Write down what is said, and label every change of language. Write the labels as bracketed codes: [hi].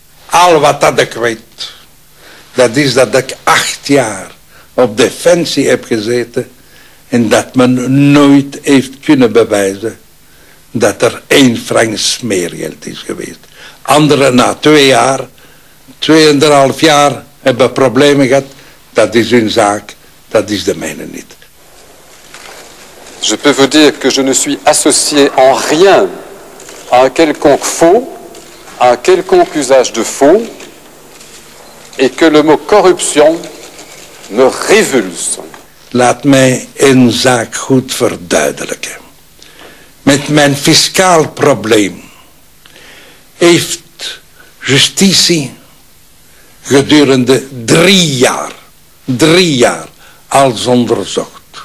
[nl] Al wat dat ik weet, dat is dat ik 8 jaar op defensie heb gezeten en dat men nooit heeft kunnen bewijzen dat er 1 frank smeergeld is geweest. Anderen na 2 jaar, 2,5 jaar hebben problemen gehad. Dat is hun zaak, dat is de mijne niet. [fr] Je peux vous dire que je ne suis associé en rien à un quelconque faux, à un quelconque usage de faux, et que le mot corruption me révulse. [nl] Laat mij een zaak goed verduidelijken. Met mijn fiscaal probleem heeft justitie gedurende 3 jaar als onderzocht.